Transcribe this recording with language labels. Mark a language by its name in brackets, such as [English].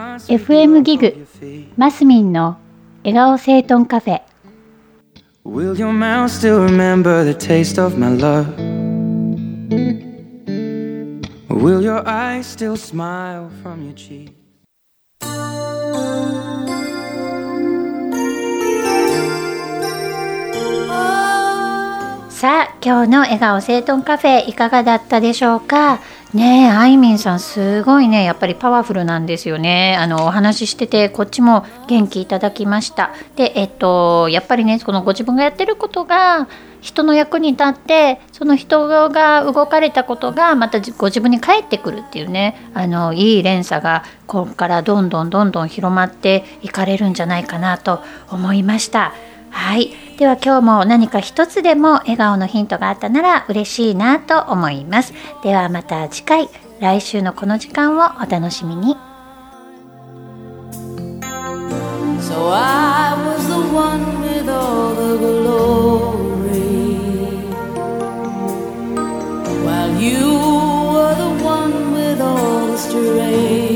[Japanese] FM ギグマスミンの笑顔整頓カフェ。 [English] Will your mouth still remember the taste of my love? Will your eyes still smile from your cheek? [Japanese] さあ、今日の笑顔整頓カフェいかがだったでしょうか。ねえ、あいみんさんすごいね、やっぱりパワフルなんですよね。あのお話ししててこっちも元気いただきました。で、やっぱりね、このご自分がやってることが人の役に立って、その人が動かれたことがまたご自分に返ってくるっていうね、あのいい連鎖がここからどんどんどんどん広まっていかれるんじゃないかなと思いました。はい、では今日も何か一つでも笑顔のヒントがあったなら嬉しいなと思います。ではまた次回、来週のこの時間をお楽しみに。 [English] So I was the one with all the glory, while you were the one with all the strength.